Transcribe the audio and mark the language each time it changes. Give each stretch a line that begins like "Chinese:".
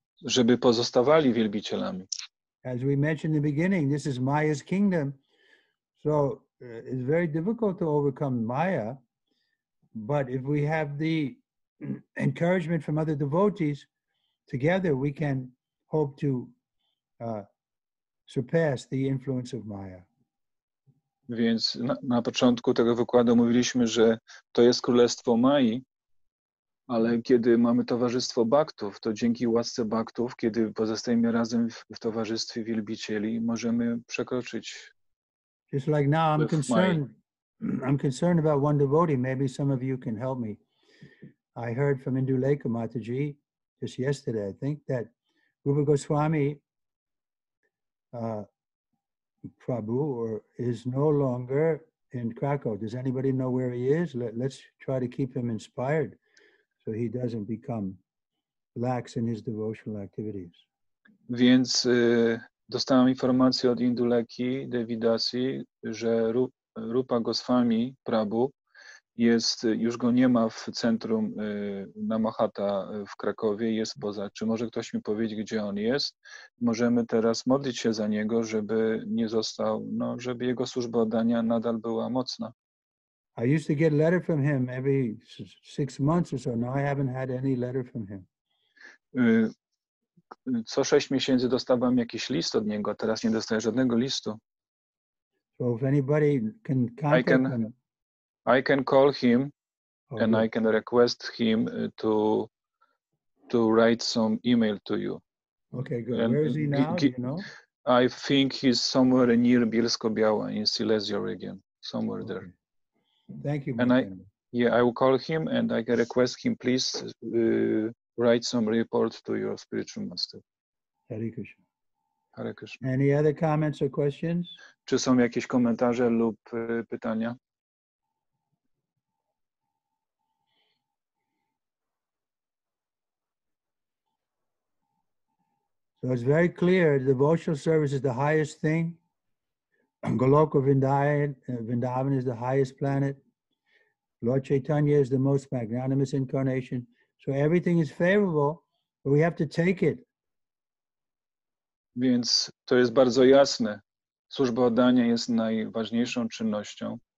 Polish: Żeby pozostawali wielbicielami.
English: As we mentioned in the beginning, this is Maya's kingdom. So it's very difficult to overcome Maya. But if we have the encouragement from other devotees, together we can hope to surpass the influence of Maya.
Polish: Więc na początku tego wykładu mówiliśmy, że to jest królestwo Mai. Ale kiedy mamy towarzystwo baktów, to dzięki łasce baktów, kiedy pozostajemy razem w towarzystwie wielbicieli, możemy przekroczyć.
English: Just like now, I'm concerned about one devotee. Maybe some of you can help me. I heard from Induleka Mataji just yesterday, I think, that Rupa Goswami Prabhu is no longer in Krakow. Does anybody know where he is? Let's try to keep him inspired, so he doesn't become lax in his devotional activities.
Polish: Więc dostałem informację od Induleki Devidasi, że Rupa Goswami Prabhu jest, już go nie ma w centrum Namahata w Krakowie, jest poza. Czy może ktoś mi powiedzieć, gdzie on jest? Możemy teraz modlić się za niego, żeby nie został, no, żeby jego służba oddania nadal była mocna.
English: I used to get a letter from him every 6 months or so. Now I haven't had any letter from him.
Polish: Co 6 miesięcy dostawałem jakiś list od niego, a teraz nie dostaję żadnego listu.
English: So if anybody can contact him. I can call him and I can request him to write some email to you. Okay, good. And where is he now, I think he's somewhere near Bielsko-Biała in Silesia region, somewhere there. Thank you. And I will call him and I can request him, please write some report to your spiritual master. Hare Krishna. Any other comments or questions?
Polish: Czy są jakieś komentarze lub pytania?
English: So it's very clear, devotional service is the highest thing. Goloka Vrindavan is the highest planet. Lord Chaitanya is the most magnanimous incarnation. So everything is favorable, but we have to take it.
Polish: Więc to jest bardzo jasne. Służba oddania jest najważniejszą czynnością.